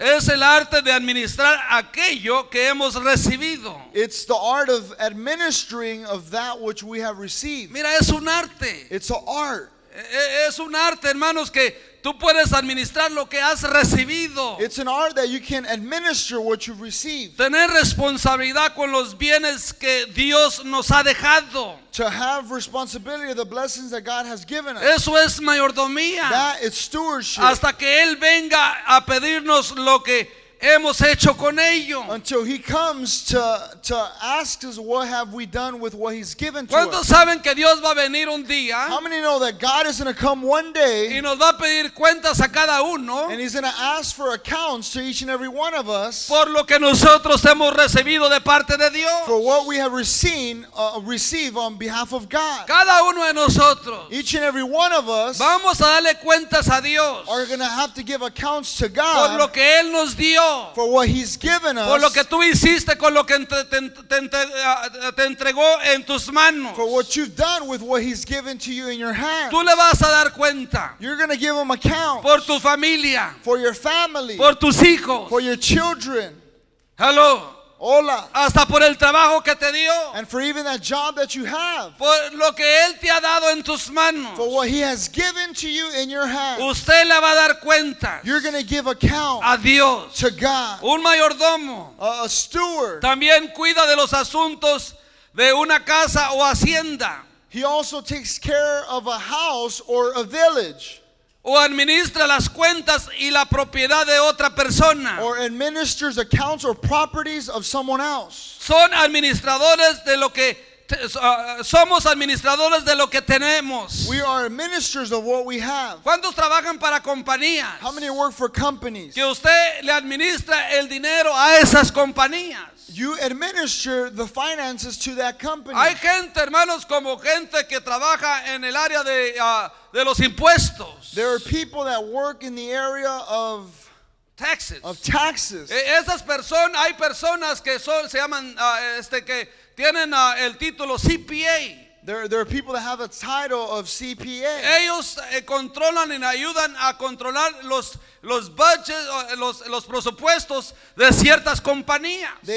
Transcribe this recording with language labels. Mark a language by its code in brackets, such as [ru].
[es] Es el arte de administrar aquello que hemos recibido. [en] It's the art of administering of that which we have received. [es] Mira, es un arte. [en] It's an art. [es] Es un arte, hermanos, que tú puedes administrar lo que has recibido. [en] It's an art that you can administer what you've received. [es] Tener responsabilidad con los bienes que Dios nos ha dejado. [en] To have responsibility of the blessings that God has given us. [es] Eso es mayordomía. [en] That is stewardship. [es] Hasta que Él venga a pedirnos lo que hemos hecho con ello. [en] Until he comes to ask us, what have we done with what he's given to [es] ¿Cuántos [en] us? [es] Saben que Dios va a venir un día? [en] How many know that God is going to come one day? [es] Y nos va a pedir cuentas a cada uno. [en] And he's going to ask for accounts to each and every one of us. [es] Por lo que nosotros hemos recibido de parte de Dios. [en] For what we have received on behalf of God. [es] Cada uno de nosotros. [en] Each and every one of us. [es] Vamos a darle cuentas a Dios. [en] Are going to have to give accounts to God. [es] Por lo que Él nos dio. [en] For what he's given us. [es] Por lo que tú hiciste con lo que te entregó en tus manos. [en] For what you've done with what he's given to you in your hands. [es] Tú le vas a dar cuenta. [en] You're going to give him account. [es] Por tu familia. [en] For your family. [es] Por tus hijos. [en] For your children. Hello. [es] Hola. Hasta por el trabajo que te dio. [en] And for even that job that you have. [es] Por lo que él te ha dado en tus manos. [en] For what he has given to you in your hands. [es] Usted le va a dar cuentas. [en] You're going to give account. [es] A Dios. [en] To God. [es] Un mayordomo. [en] A steward. [es] También cuida de los asuntos de una casa o hacienda. [en] He also takes care of a house or a village. [es] O administra las cuentas y la propiedad de otra persona. [en] Or administers accounts or properties of someone else. [es] Son administradores de lo que somos administradores de lo que tenemos. [en] We are ministers of what we have. [es] ¿Cuántos trabajan para compañías? [en] How many work for companies? [es] Que usted le administra el dinero a esas compañías. [en] You administer the finances to that company. [es] Hay gente, hermanos, como gente que trabaja en el área de los impuestos. [en] There are people that work in the area of taxes. Of taxes. [es] Esas personas, hay personas que son, se llaman, que tienen el título CPA. [en] There are people that have a title of CPA. [es] Ellos controlan y ayudan a controlar los budgets, los presupuestos de ciertas compañías.